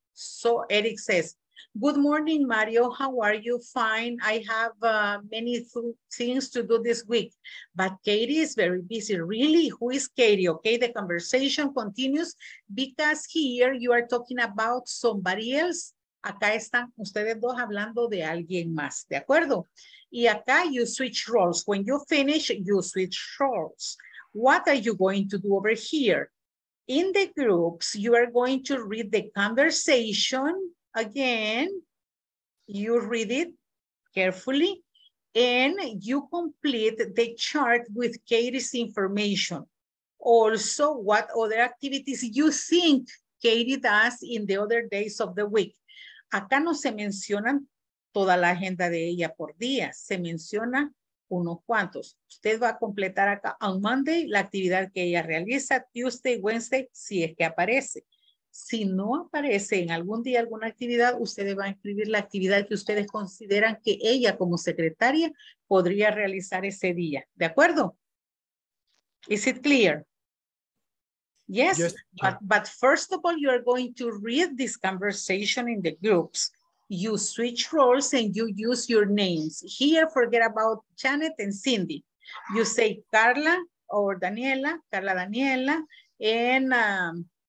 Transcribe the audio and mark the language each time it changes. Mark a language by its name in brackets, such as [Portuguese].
[English] So Eric says, good morning, Mario, how are you? Fine, I have many things to do this week, but Katie is very busy. Really, who is Katie? Okay, the conversation continues because here you are talking about somebody else. [Spanish] Acá están ustedes dos hablando de alguien más, ¿de acuerdo? Y acá [English] you switch roles. When you finish, you switch roles. What are you going to do over here? In the groups, you are going to read the conversation. Again, you read it carefully and you complete the chart with Katie's information. Also, what other activities you think Katie does in the other days of the week. [Spanish] Acá no se mencionan toda la agenda de ella por día, se menciona unos cuantos. Usted va a completar acá [English] on Monday [Spanish] la actividad que ella realiza, Tuesday, Wednesday, si es que aparece. Si no aparece en algún día alguna actividad, ustedes van a escribir la actividad que ustedes consideran que ella como secretaria podría realizar ese día. ¿De acuerdo? [English] Is it clear? Yes. But first of all, you are going to read this conversation in the groups. You switch roles and you use your names. Here, forget about Janet and Cindy. You say Carla or Daniela, Carla Daniela, and...